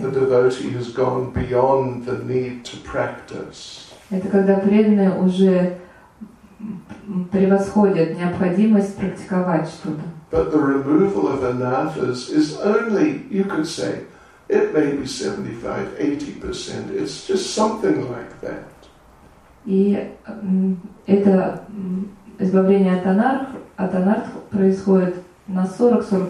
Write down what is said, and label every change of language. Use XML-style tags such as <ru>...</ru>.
<en>The devotee has gone beyond the need to practice.</en> <ru>Это когда преданные уже превосходят необходимость практиковать что-то.</ru> <en>But the removal of anathas is only, you could say, it may be 75-80%. It's just something like that.</en> <ru>И это избавление от анарх происходит на 40-45%.</ru>